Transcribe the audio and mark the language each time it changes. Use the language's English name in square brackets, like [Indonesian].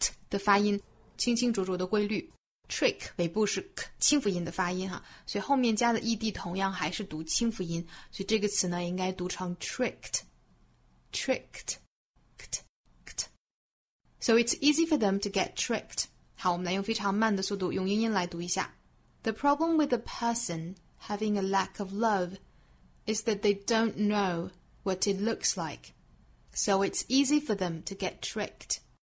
[Chinese] 的发音清清浊浊的规律 trick 尾部是 k 清辅音的发音哈，所以后面加的 ed 同样还是读清辅音，所以这个词呢应该读成 tricked [English] tricked kt, kt. So it's easy for them to get tricked. [Chinese] 好，我们来用非常慢的速度用英音来读一下。 [English] The problem with a person having a lack of love is that they don't know what it looks like, so it's easy for them to get tricked